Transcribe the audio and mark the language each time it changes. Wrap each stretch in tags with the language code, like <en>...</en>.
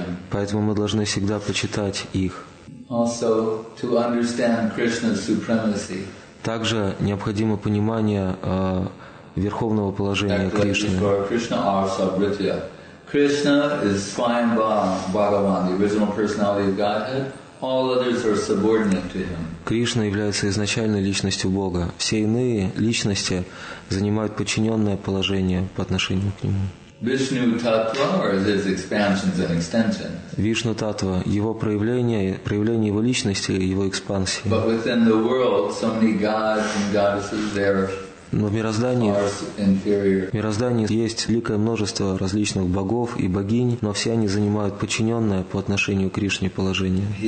<ru>Поэтому мы должны всегда почитать их.</ru> <en>Also, to understand Krishna's supremacy.</en> <ru>Также необходимо понимание верховного положения Кришны.</ru> <sa>Krishna Arsa Vritya.</sa> <en>Krishna is Swayam Bhagavan, the original personality of Godhead. All others are subordinate to him.</en> <ru>Кришна является изначальной личностью Бога. Все иные личности занимают подчиненное положение по отношению к нему.</ru> <en>Vishnu Tattva or his expansions and extensions.</en> <ru>Вишну Татва, его проявление, проявление его личности, его экспансии.</ru> <en>But within the world, so many gods and goddesses there.</en> <ru>Но в мироздании, есть великое множество различных богов и богинь, но все они занимают подчиненное по отношению к Кришне положение.</ru>